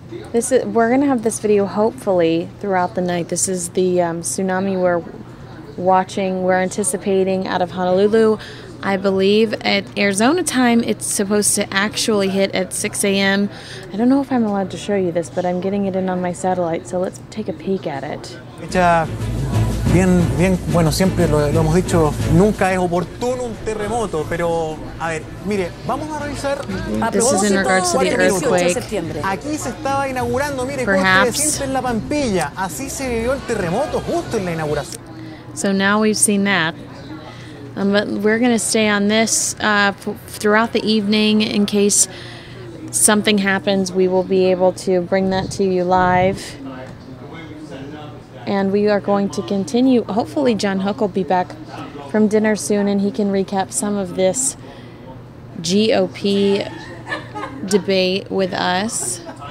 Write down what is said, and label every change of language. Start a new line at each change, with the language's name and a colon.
English: We're going to have this video hopefully throughout the night. This is the tsunami we're watching, we're anticipating out of Honolulu. I believe at Arizona time, it's supposed to actually hit at 6 a.m. I don't know if I'm allowed to show you this, but I'm getting it in on my satellite, so let's take a peek at it.
Spanish: Bien, bien, bueno, siempre lo hemos dicho, nunca es oportuno un terremoto, pero, a ver, mire, vamos a revisar...
English: This is in regards to the earthquake.
Spanish: Aquí se estaba inaugurando, mire, justo en la Pampilla, así se vivió el terremoto, justo en la inauguración.
English: So now we've seen that. But we're going to stay on this throughout the evening in case something happens. We will be able to bring that to you live. And we are going to continue. Hopefully John Hook will be back from dinner soon and he can recap some of this GOP debate with us.